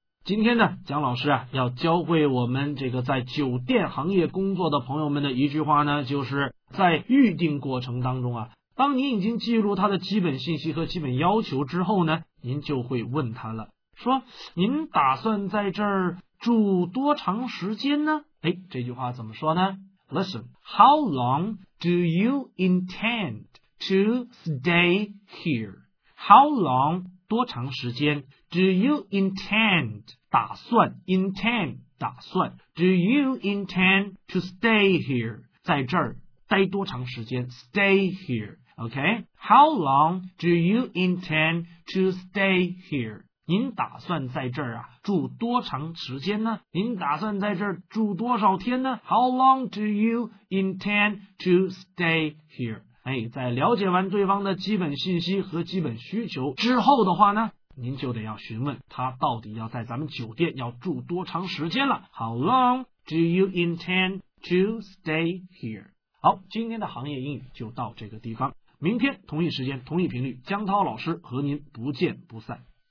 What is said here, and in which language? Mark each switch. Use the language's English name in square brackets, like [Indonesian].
[Chinese] 今天呢，蒋老师啊，要教会我们这个在酒店行业工作的朋友们的一句话呢，就是在预订过程当中啊，当您已经记录他的基本信息和基本要求之后呢，您就会问他了，说您打算在这儿住多长时间呢？哎，这句话怎么说呢？ [English] Listen, how long do you intend to stay here? How long? [Chinese] 多长时间 [English] ？Do you intend [Chinese] 打算 [English] ？Intend 打算 ？Do you intend to stay here [Chinese] 在这儿待多长时间 [English] ？Stay here, OK? How long do you intend to stay here? [Chinese] 您打算在这儿啊住多长时间呢？您打算在这儿住多少天呢 ？ [English] How long do you intend to stay here? [Chinese] 在了解完对方的基本信息和基本需求之后的话呢，您就得要询问他到底要在咱们酒店要住多长时间了。 [English] How long do you intend to stay here? [Chinese] 好，今天的行业英语就到这个地方。明天同一时间，同一频率，江涛老师和您不见不散。